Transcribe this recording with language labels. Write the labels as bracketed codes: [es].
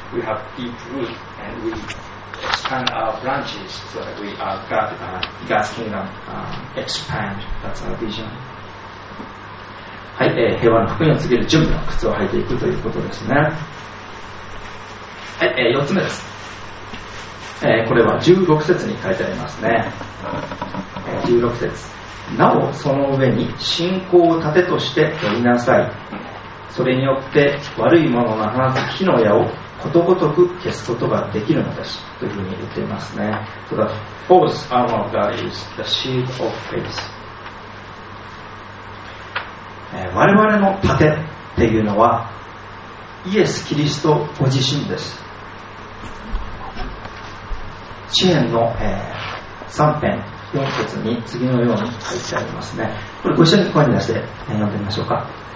[en] We have deep root and we expand our branches so that we are God's kingdom expand. That's our vision. [ja] はい、平和の福音を告げる準備の靴を履いていくということですね。はい、4つ目です。これは16節に書いてありますね。16節、なおその上に信仰を盾として取りなさい。それによって悪いものの放つ火の矢をことごとく消すことができるのです。というふうに言っていますね。 [en] So the false armor of God is the shield of faith. [ja] 我々の盾っていうのはイエス・キリストご自身です。詩編の、3編4節に次のように書いてありますね。これご一緒に声に出して読んでみましょうか。